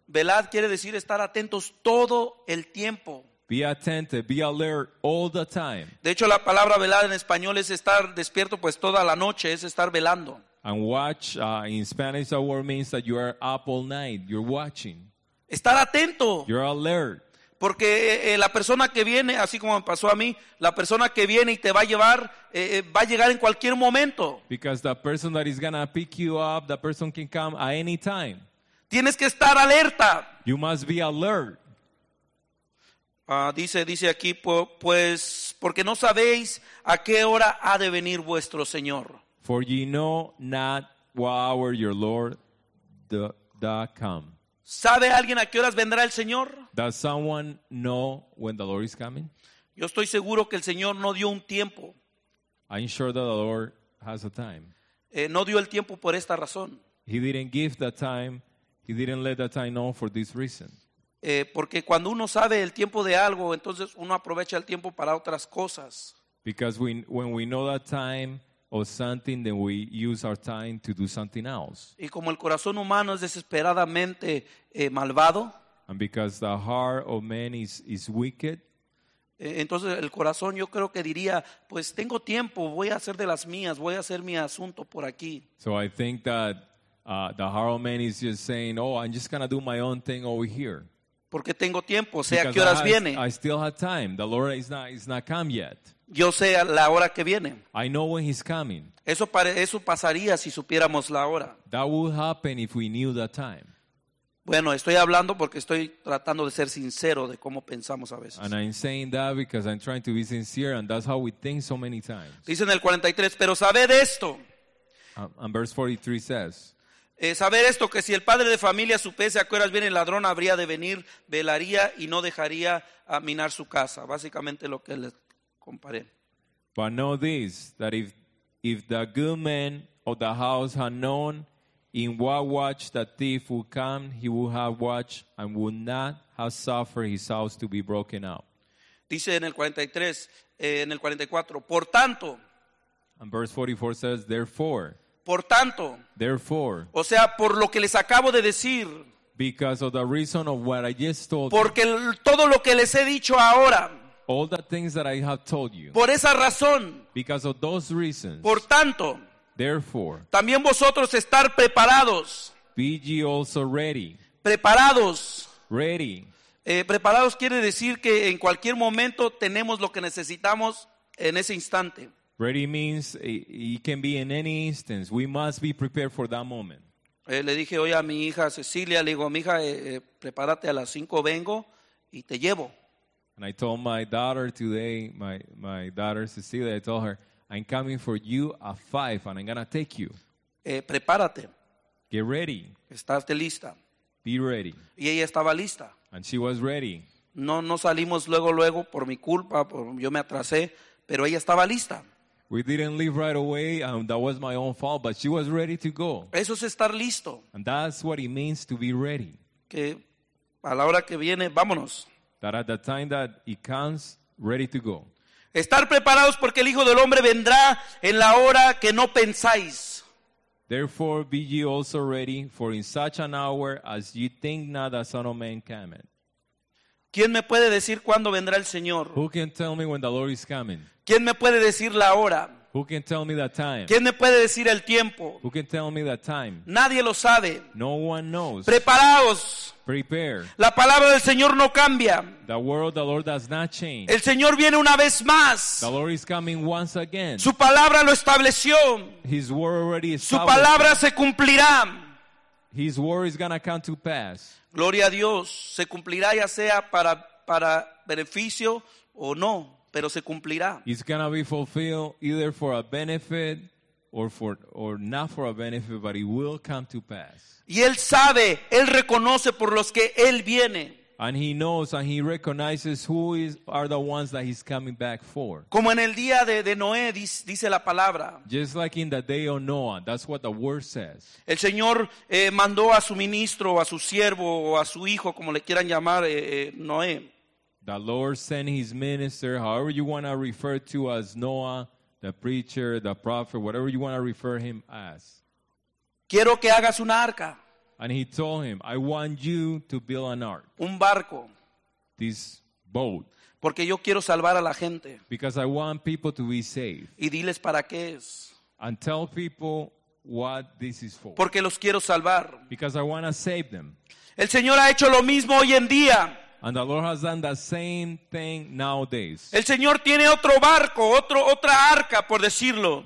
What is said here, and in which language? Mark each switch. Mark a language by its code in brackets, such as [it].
[es] Velad quiere decir estar atentos todo el tiempo. [en] Be attentive, be alert all the time. [es] De hecho, la palabra velar en español es estar despierto pues toda la noche, es estar velando. [en] And watch, in Spanish the word means that you are up all night, you're watching. [es] Estar atento. [en] You're alert. [es] Porque la persona que viene, así como me pasó a mí, la persona que viene y te va a llevar, va a llegar en cualquier momento. [en] Because the person that is going to pick you up, the person can come at any time. [es] Tienes que estar alerta. [en] You must be alert. [es] Dice aquí, pues, porque no sabéis a qué hora ha de venir vuestro Señor. [en] For ye know not what hour your Lord doth come. [es] ¿Sabe alguien a qué horas vendrá el Señor? [en] Does someone know when the Lord is coming? [es] Yo estoy seguro que el Señor no dio un tiempo. [en] I'm sure that the Lord has a time. [es] No dio el tiempo por esta razón. [en] He didn't give the time. He didn't let the time know for this reason. [es] Porque cuando uno sabe el tiempo de algo, entonces uno aprovecha el tiempo para otras cosas. [en] Because when we know that time of something, then we use our time to do something else. [es] Y como el corazón humano es desesperadamente malvado. [en] And because the heart of man is wicked. [es] Entonces el corazón yo creo que diría, pues tengo tiempo, voy a hacer de las mías, voy a hacer mi asunto por aquí. [en] So I think that the heart of man is just saying, oh, I'm just going to do my own thing over here. [es] Porque tengo tiempo, sé a qué horas viene. [en] I still have time. The Lord is not come yet. [es] Yo sé la hora que viene. [en] I know when he's coming. [es] Eso pasaría si supiéramos la hora. [en] That would happen if we knew the time. [es] Bueno, estoy hablando porque estoy tratando de ser sincero de cómo pensamos a veces. [en] And I'm saying that because I'm trying to be sincere, and that's how we think so many times. [es] Dice en el 43, pero sabed esto. [en] And verse 43 says, [es] saber esto, que si el padre de familia supiese a qué horas viene el ladrón, habría de venir, velaría y no dejaría a minar su casa. Básicamente lo que les comparé. [en] But know this, that if the good man of the house had known in what watch the thief would come, he would have watched and would not have suffered his house to be broken up. [es] Dice en el 43, en el 44, por tanto. [en] And verse 44 says, therefore. [es] Por tanto. [en] Therefore. [es] O sea, por lo que les acabo de decir. [en] Because of the reason of what I just told you. [es] Porque todo lo que les he dicho ahora. [en] All the things that I have told you. [es] Por esa razón. [en] Because of those reasons. [es] Por tanto. [en] Therefore. [es] También vosotros estar preparados. [en] Be ye also ready. [es] Preparados. [en] Ready. [es] Preparados quiere decir que en cualquier momento tenemos lo que necesitamos en ese instante. [en] Ready means it can be in any instance. We must be prepared for that moment. [es] Le dije hoy a mi hija Cecilia, le digo, mija, prepárate, a las 5 vengo y te llevo. [en] And I told my daughter today, my daughter Cecilia, I told her, I'm coming for you at 5 and I'm going to take you. [es] Prepárate. [en] Get ready. [es] Estarte lista. [en] Be ready. [es] Y ella estaba lista. [en] And she was ready. [es] No salimos luego por mi culpa, yo me atrasé, pero ella estaba lista. [en] We didn't leave right away, and that was my own fault, but she was ready to go. [es] Eso es estar listo. [en] And that's what it means to be ready. [es] Que a la hora que viene, vámonos. [en] That at the time that it comes, ready to go. [es] Estar preparados porque el Hijo del Hombre vendrá en la hora que no pensáis. [en] Therefore, be ye also ready, for in such an hour as ye think not the Son of Man cometh. [es] ¿Quién me puede decir cuándo vendrá el Señor? [en] Who can tell me when the Lord is coming? [es] ¿Quién me puede decir la hora? [en] Who can tell me the time? [es] ¿Quién me puede decir el tiempo? [en] Who can tell me the time? [es] Nadie lo sabe. [en] No one knows. [es] Preparaos. [en] Prepare. [es] La palabra del Señor no cambia. [en] The word of the Lord does not change. [es] El Señor viene una vez más. [en] The Lord is coming once again. [es] Su palabra lo estableció. [en] His word already established. [es] Su palabra se cumplirá. [en] His word is going to come to pass. [es] Gloria a Dios. Se cumplirá, ya sea para beneficio o no, pero se cumplirá. [en] It's going to be fulfilled either for a benefit or not for a benefit, but it will come to pass. [es] Y él sabe, él reconoce por los que él viene. [en] And he knows and he recognizes who are the ones that he's coming back for. [es] Como en el día de Noé, dice la palabra. [en] Just like in the day of Noah, that's what the word says. [es] El Señor mandó a su ministro, a su siervo, o a su hijo, como le quieran llamar, Noé. [en] The Lord sent his minister, however you want to refer to as Noah, the preacher, the prophet, whatever you want to refer him as. [es] Quiero que hagas una arca. [en] And he told him, I want you to build an ark. [es] Un barco. [en] This boat. [es] Porque yo quiero salvar a la gente. [en] Because I want people to be saved. [es] Y diles para qué es. [en] And tell people what this is for. [es] Porque los quiero salvar. [en] Because I want to save them. [es] El Señor ha hecho lo mismo hoy en día. [en] And the Lord has done the same thing nowadays. [es] El Señor tiene otro barco, otra arca, por decirlo.